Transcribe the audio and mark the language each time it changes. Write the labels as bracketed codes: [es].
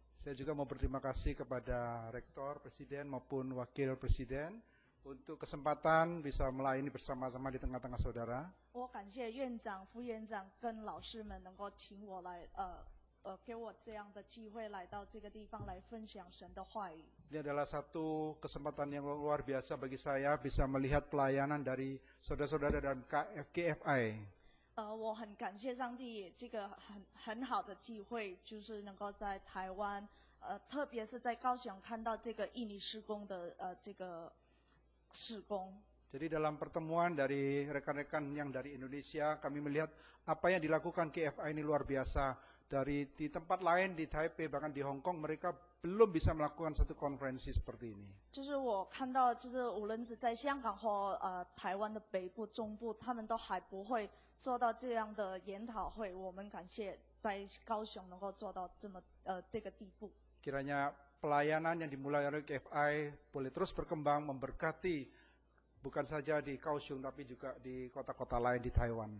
[id] Saya juga mau berterima kasih kepada Rektor, Presiden maupun Wakil Presiden untuk kesempatan bisa melayani bersama-sama di tengah-tengah saudara. [zh] 我感谢院长、副院长跟老师们能够请我来给我这样的机会来到这个地方来分享神的话语。 [id] Ini adalah satu kesempatan yang luar biasa bagi saya bisa melihat pelayanan dari saudara-saudara dan KFKFI. [zh] 我很感谢上帝这个很好的机会，就是能够在台湾特别是在高雄看到这个印尼施工的这个施工。 [id] Jadi dalam pertemuan dari rekan-rekan yang dari Indonesia, kami melihat apa yang dilakukan KFI ini luar biasa. dari di tempat lain di Taipei bahkan di Hong Kong mereka belum bisa melakukan satu konferensi seperti ini. [zh] 就是我看到就是无论是在香港或台湾的北部、中部，他们都还不会做到这样的研讨会。我们感谢在高雄能够做到这么这个地步。 [id] Kiranya pelayanan yang dimulai oleh KFI boleh terus berkembang memberkati bukan saja di Kaohsiung tapi juga di kota-kota lain di Taiwan.